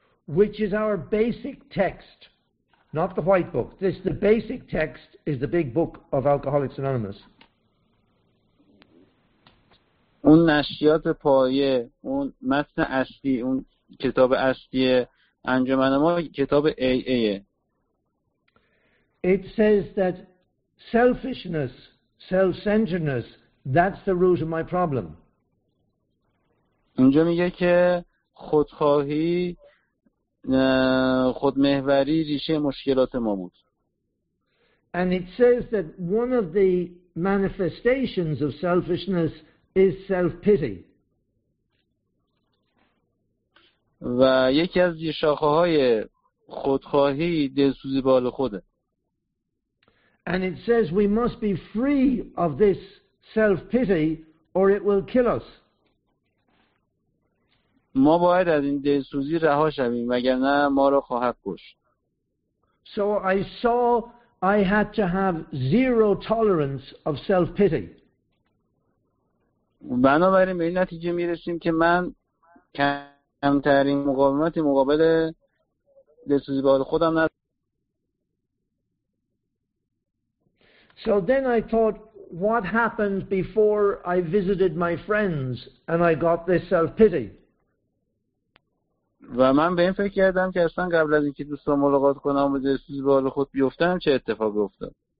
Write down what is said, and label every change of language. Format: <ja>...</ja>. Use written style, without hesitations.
<en>which is our basic text, Not the white book. This the basic text is the big book of Alcoholics Anonymous.</en> <fa>اون نشریات پایه، اون متن اصلی، اون کتاب اصلی انجمن ما کتاب AA.</fa> <en>It says that selfishness, self-centeredness, that's the root of my problem.</en> <fa>اونجا میگه که خودخواهی، خودمحوری ریشه مشکلات ما بود.</fa> <en>And it says that one of the manifestations of selfishness is self-pity.</en> <fa>و یکی از شاخه های خودخواهی دلسوزی به حال خوده.</fa> <en>And it says we must be free of this self-pity or it will kill us.</en> <fa>ما باید از این دلسوزی رها شویم وگرنه ما را خواهد کشت.</fa> <en>So I saw I had to have zero tolerance of self-pity.</en> <fa>بنابراین به این نتیجه میرسیم که من کمترین مقاومتی مقابل دلسوزی به حال خودم ندارم.</fa> <en>So then I thought, what happened before I visited my friends and I got this self-pity?</en> <fa>و من به این فکر کردم که اصلا قبل از اینکه دوستان ملاقات کنم و دلسوزی به حال خود بیفتم چه اتفاقی افتاد.</fa>